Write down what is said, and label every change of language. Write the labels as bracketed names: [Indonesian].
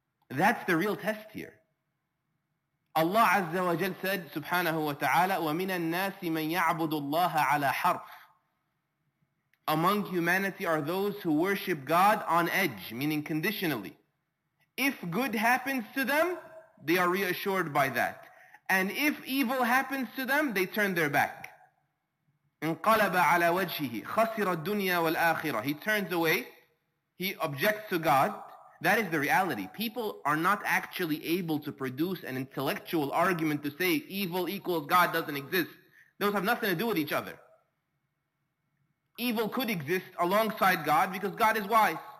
[English] That's the real test here. Allah Azza wa Jal said, subhanahu wa ta'ala, [Arabic] وَمِنَ النَّاسِ مَنْ يَعْبُدُ اللَّهَ عَلَى حَرْفٍ. [English] Among humanity are those who worship God on edge, meaning conditionally. If good happens to them, they are reassured by that. And if evil happens to them, they turn their back. [Arabic] انقلب على وجهه خسر الدنيا والآخرة. [English] He turns away, he objects to God. That is the reality. People are not actually able to produce an intellectual argument to say evil equals God doesn't exist. Those have nothing to do with each other. Evil could exist alongside God because God is wise.